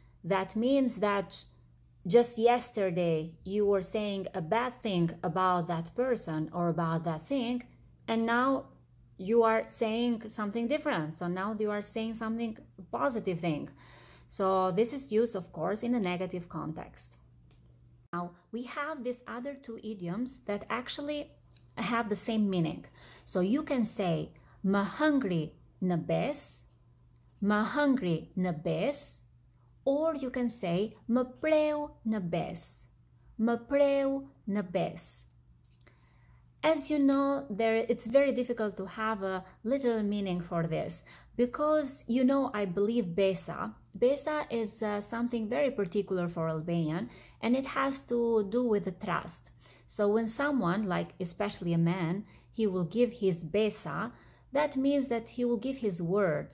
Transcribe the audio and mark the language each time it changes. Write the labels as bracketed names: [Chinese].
[English] That means that just yesterday you were saying a bad thing about that person or about that thing, and now you are saying something different. So now you are saying something positive thing. So this is used, of course, in a negative context. Now, we have these other two idioms that actually have the same meaning. So you can say, [Albanian] më hëngri në bes, më hëngri në bes, [English] or you can say, [Albanian] më preu në bes, më preu në bes. [English] As you know, it's very difficult to have a literal meaning for this, because, you know, I believe besa. Besa is something very particular for Albanian, and it has to do with the trust. So when someone, like especially a man, he will give his besa, that means that he will give his word.